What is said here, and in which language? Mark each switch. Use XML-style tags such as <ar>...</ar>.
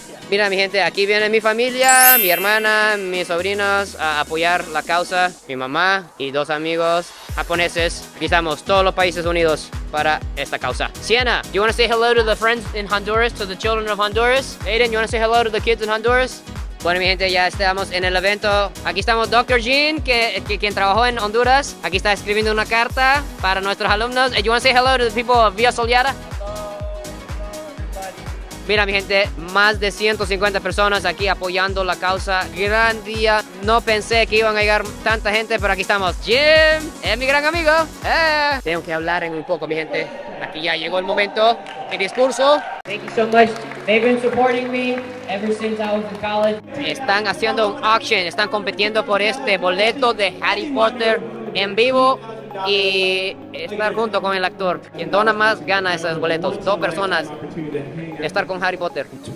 <es>Mira, mi gente, aquí viene mi familia, mi hermana, mis sobrinos a apoyar la causa. Mi mamá y dos amigos japoneses. Aquí estamos, todos los países unidos para esta causa.</es> <en>Sienna, do you want to say hello to the friends in Honduras, to the children of Honduras? Aiden, you want to say hello to the kids in Honduras?</en> <es>Bueno, mi gente, ya estamos en el evento. Aquí estamos Dr. Jean, quien trabajó en Honduras. Aquí está escribiendo una carta para nuestros alumnos.</es> <en>Do you want to say hello to the people of Vía Soleada?</en> <es>Mira, mi gente, más de 150 personas aquí apoyando la causa. Gran día. No pensé que iban a llegar tanta gente, pero aquí estamos. Jim, es mi gran amigo. Tengo que hablar en un poco, mi gente. Aquí ya llegó el momento. Mi discurso.</es> <en>Thank you so much. They've been supporting me ever since I was in college.</en> <es>Están haciendo un auction. Están compitiendo por este boleto de Harry Potter en vivo. Y estar junto con el actor. Quien dona más gana esos boletos. Dos personas. Estar con Harry Potter.</es>